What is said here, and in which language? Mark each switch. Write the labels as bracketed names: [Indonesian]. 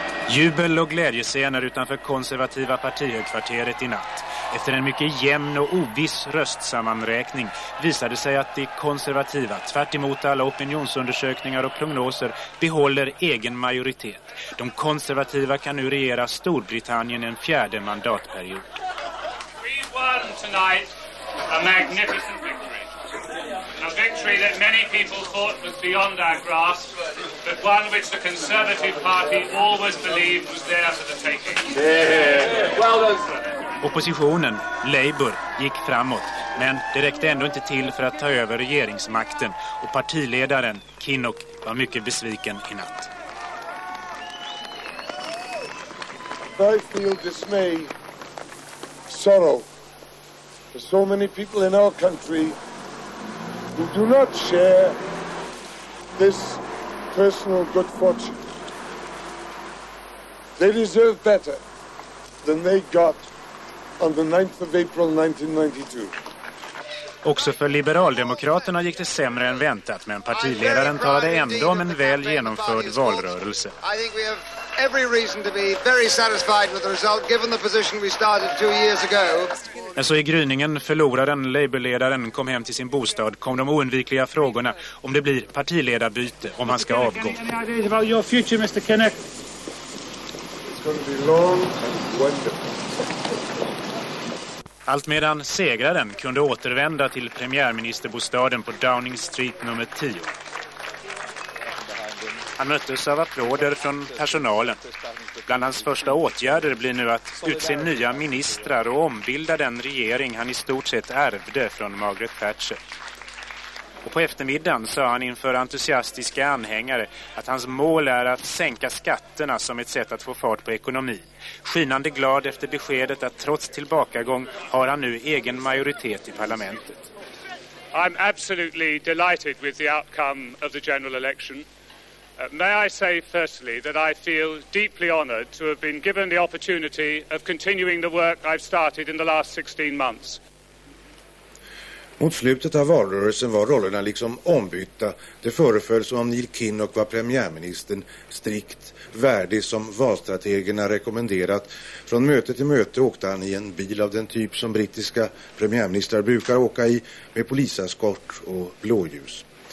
[Swedish] Jubel och glädjescener utanför konservativa partihögkvarteret i natt. Efter en mycket jämn och oviss röstsammanräkning visade sig att de konservativa, tvärt emot alla opinionsundersökningar och prognoser, behåller egen majoritet. De konservativa kan nu regera Storbritannien en fjärde mandatperiod. [English] We won tonight a magnificent victory. A victory that many people thought was beyond our grasp, but one which the Conservative Party always believed was there for the taking. Yeah. Well done, sir. [Swedish] Oppositionen, Labour, gick framåt, men det räckte ändå inte till för att ta över regeringsmakten, och partiledaren Kinnock var mycket besviken i natt. [English] I feel dismay, sorrow, for so many people in our country who do not share this personal good fortune. They deserve better than they got. On the 9th of April 1992. [Swedish] Också för Liberaldemokraterna gick det sämre än väntat, men partiledaren talade ändå om en väl genomförd valrörelse. [English] I think we have every reason to be very satisfied with the result given the position we started 2 years ago. [Swedish] När så i gryningen förloraren Labourledaren kom hem till sin bostad, kom de oundvikliga frågorna om det blir partiledarbyte, om han ska avgå. [English] About your future, Mr. Kinnock. It's going to be long and wonderful. [Swedish] Allt medan segraren kunde återvända till premiärministerbostaden på Downing Street nummer 10. Han möttes av applåder från personalen. Bland hans första åtgärder blir nu att utse nya ministrar och ombilda den regering han i stort sett ärvde från Margaret Thatcher. Och på eftermiddagen sa han inför entusiastiska anhängare att hans mål är att sänka skatterna som ett sätt att få fart på ekonomin. Skinande glad efter beskedet att trots tillbakagång har han nu egen majoritet i parlamentet. [English] I'm absolutely delighted with the outcome of the general election. May I say firstly that I feel deeply honored to have been given the opportunity of continuing the work I've started in the last 16 months. [Swedish] Mot slutet av valrörelsen var rollerna liksom ombytta. Det föreföll som om Neil Kinnock var premiärministern, strikt värdig som valstrategerna rekommenderat. Från möte till möte åkte han i en bil av den typ som brittiska premiärministrar brukar åka i, med polisaskort och blåljus.